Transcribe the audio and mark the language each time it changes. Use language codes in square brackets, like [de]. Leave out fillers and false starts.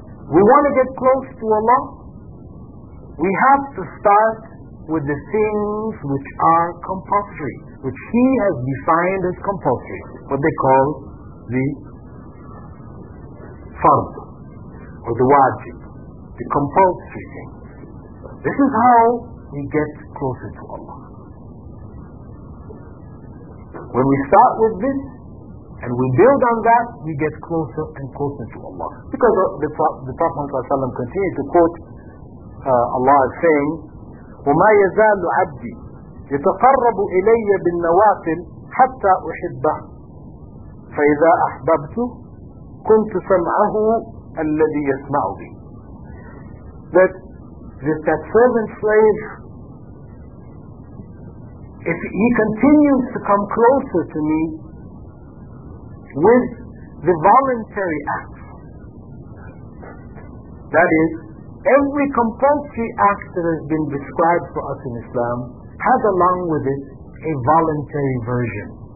[en] We want to get close to Allah. We have to start with the things which are compulsory, which he has defined as compulsory, what they call the fard, or the wajib, the compulsory things. This is how we get closer to Allah. When we start with this, and we build on that, we get closer and closer to Allah. Because the Prophet ﷺ continues to quote Allah as saying, [ar] وَمَا يَزَالُ عَبْدِي يتقرب إلي بالنوافل حتى أحبه فإذا أحببت كنت سمعه الذي يسمع بي. [en] That servant slave, if he continues to come closer to me with the voluntary acts, that is, every compulsory act that has been described for us in Islam has along with it a voluntary version.